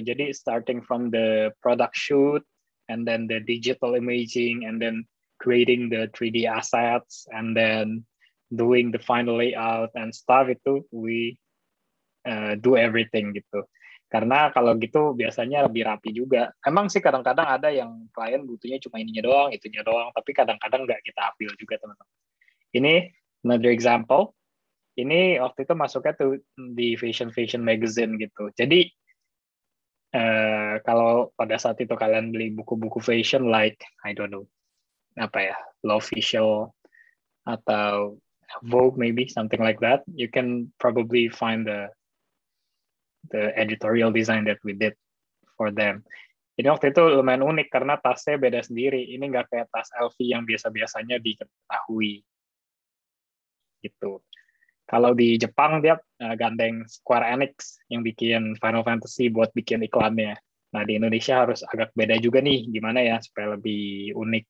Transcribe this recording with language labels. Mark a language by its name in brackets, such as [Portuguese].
[English] Jadi starting from the product shoot, and then the digital imaging, and then creating the 3D assets, and then doing the final layout and stuff itu, we do everything gitu. [Indonesian] Karena kalau gitu biasanya lebih rapi juga. Emang sih kadang-kadang ada yang klien butuhnya cuma ininya doang, itunya doang, tapi kadang-kadang nggak kita ambil juga, teman-teman. Ini [English] another example. [Indonesian] Ini waktu itu masuknya tuh di Fashion Fashion Magazine gitu. Jadi kalau pada saat itu kalian beli buku-buku fashion [English] like, I don't know, [Indonesian] apa ya, [English] L'Official atau Vogue maybe, something like that, you can probably find the editorial design that we did for them. [Indonesian] Ini waktu itu lumayan unik karena tasnya beda sendiri. Ini nggak kayak tas LV yang biasa-biasanya diketahui. Gitu. Kalau di Jepang, dia gandeng Square Enix yang bikin Final Fantasy buat bikin iklannya. Nah, di Indonesia harus agak beda juga nih, gimana ya, supaya lebih unik.